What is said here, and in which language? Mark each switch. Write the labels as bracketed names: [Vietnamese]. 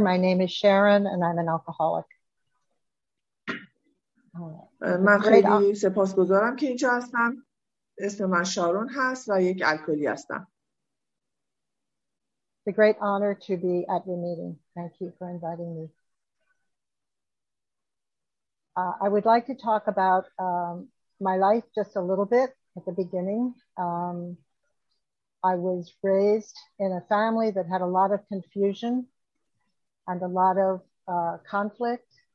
[English] My name is Sharon and I'm an alcoholic. [Persian] من خیلی سپاسگزارم که اینجا هستم. اسم من شارون هست و یک الکلی هستم. [English] It's a great honor to be at your meeting. Thank you for inviting me. I would like to talk about my life just a little bit at the beginning. I was raised in a family that had a lot of confusion and a lot of conflict.